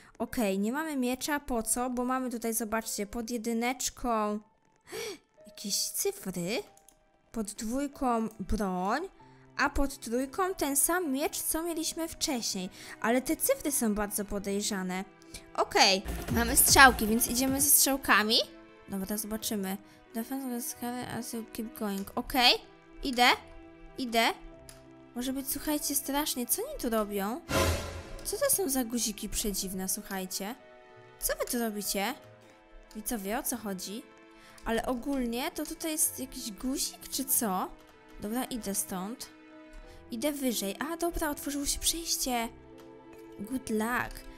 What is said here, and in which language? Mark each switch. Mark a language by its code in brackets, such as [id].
[pl] Okej, nie mamy miecza, po co? Bo mamy tutaj, zobaczcie, pod jedyneczką jakieś cyfry, pod dwójką broń. A pod trójką ten sam miecz, co mieliśmy wcześniej. Ale te cyfry są bardzo podejrzane. Okej, mamy strzałki, więc idziemy ze strzałkami. Dobra, zobaczymy. [en] Defense, as you keep going. [pl] Okej, idę. Może być, słuchajcie, strasznie. Co oni tu robią? Co to są za guziki przedziwne, słuchajcie? Co wy tu robicie? Widzowie, o co chodzi? Ale ogólnie to tutaj jest jakiś guzik, czy co? Dobra, idę stąd. Idę wyżej. A, dobra, otworzyło się przejście. [en] Good luck.